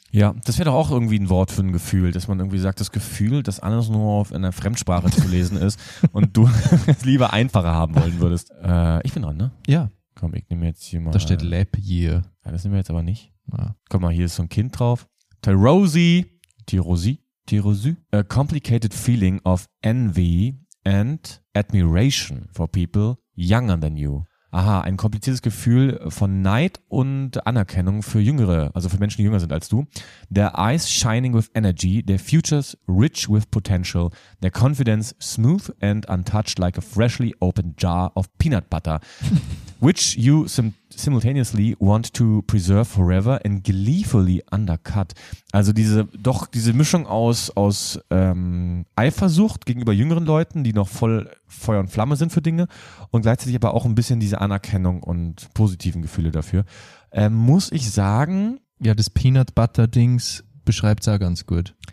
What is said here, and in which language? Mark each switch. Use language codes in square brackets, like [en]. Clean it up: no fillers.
[de] Ja, das wäre doch auch irgendwie ein Wort für ein Gefühl, dass man irgendwie sagt, das Gefühl, dass alles nur auf einer Fremdsprache zu lesen ist und du es lieber einfacher haben wollen würdest. Ich bin dran, ne? Ja. Komm, ich nehme jetzt hier mal. Da steht Lab Year. Ja, das nehmen wir jetzt aber nicht. Ja. Guck mal, hier ist so ein Kind drauf. [en] Tyrosi, a complicated feeling of envy and admiration for people younger than you. [de] Aha, ein kompliziertes Gefühl von Neid und Anerkennung für Jüngere, also für Menschen, die jünger sind als du. [en] Their eyes shining with energy, their futures rich with potential, their confidence smooth and untouched like a freshly opened jar of peanut butter, which you simultaneously want to preserve forever and gleefully undercut. [de] Also diese Mischung aus Eifersucht gegenüber jüngeren Leuten, die noch voll Feuer und Flamme sind für Dinge und gleichzeitig aber auch ein bisschen diese Anerkennung und positiven Gefühle dafür. Muss ich sagen... Ja, das Peanut Butter Dings beschreibt es auch ganz gut.